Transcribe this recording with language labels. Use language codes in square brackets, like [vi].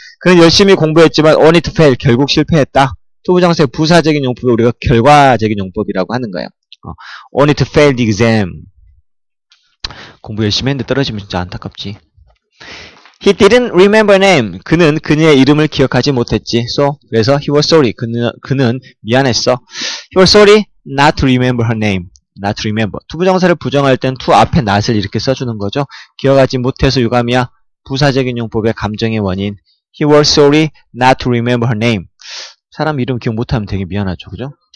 [ko] 그는 열심히 공부했지만 [en] only to fail [ko] 결국 실패했다. 투부정사의 부사적인 용법을 우리가 결과적인 용법이라고 하는 거예요. [en] Only to fail the exam. [ko] 공부 열심히 했는데 떨어지면 진짜 안타깝지. [en] He didn't remember name. [ko] 그는 그녀의 이름을 기억하지 못했지. [en] So [ko] 그래서 [en] he was sorry. [ko] 그는 미안했어. [en] He was sorry not to remember her name. Not to remember. [ko] 투부정사를 부정할 땐 to 앞에 not을 이렇게 써주는 거죠. 기억하지 못해서 유감이야. 부사적인 용법의 감정의 원인. [en] He was sorry not to remember her name. [ko] 사람 이름 기억 못하면 되게 미안하죠. 그죠?